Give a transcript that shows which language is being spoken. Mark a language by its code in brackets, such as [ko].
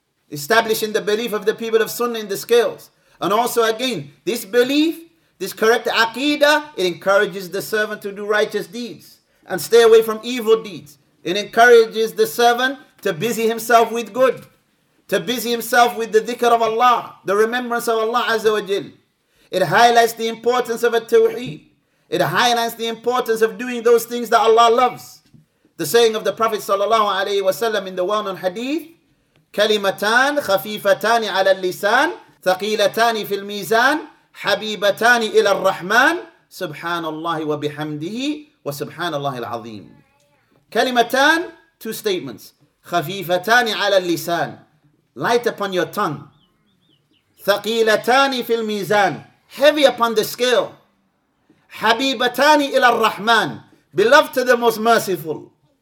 [en] establishing the belief of the people of Sunnah in the scales. And also again, this belief, this correct aqidah, it encourages the servant to do righteous deeds and stay away from evil deeds. It encourages the servant to busy himself with good, to busy himself with the dhikr of Allah, the remembrance of Allah Azza wa Jal. It highlights the importance of a tawheed. It highlights the importance of doing those things that Allah loves. The saying of the Prophet sallallahu alayhi wa sallam in the well-known hadith, [ar] كلمتان خفيفتان على اللسان ثقيلتان في الميزان حبيبتان إلى الرحمن سبحان الله وبحمده وسبحان الله العظيم. كلمتان, [en] two statements. [ar] خفيفتان على اللسان, [en] light upon your tongue. [ar] ثقيلتان في الميزان, [en] heavy upon the scale. [ar] حبيبتان إلى الرحمن, [en] beloved to the most merciful.